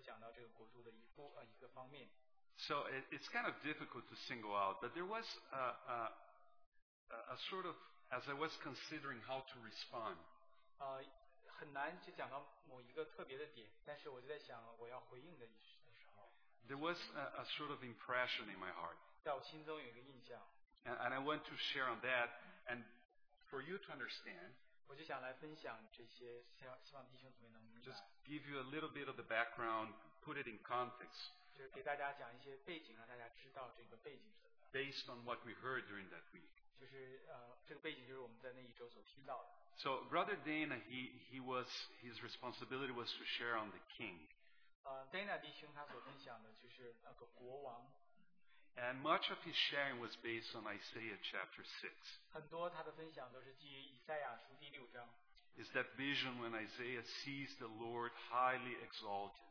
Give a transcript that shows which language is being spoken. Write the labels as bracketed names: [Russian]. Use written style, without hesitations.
[Chinese] 我感到说，无论是Dana弟兄、兰佩德弟兄、江弟兄，他每个人都讲到这个国度的一个方面。 [English] So it's kind of difficult to single out, but there was a sort of, as I was considering how to respond. [Chinese] 很难去讲到某一个特别的点，但是我就在想我要回应的时候。 [English] There was a sort of impression in my heart. [Chinese] 在我心中有一个印象。 [English] And I want to share on that, and for you to understand. [Chinese] 我就想来分享这些，希望弟兄姊妹能明白。 [English] Just give you a little bit of the background, put it in context. [Chinese] 就是给大家讲一些背景，让大家知道这个背景是怎么样。 [English] Based on what we heard during that week. [Chinese] 就是这个背景就是我们在那一周所听到的。 [English] So Brother Dana, his responsibility was to share on the king. [Chinese] Dana 弟兄他所分享的就是那个国王。 [English] And much of his sharing was based on Isaiah chapter 6. Is that vision when Isaiah sees the Lord highly exalted?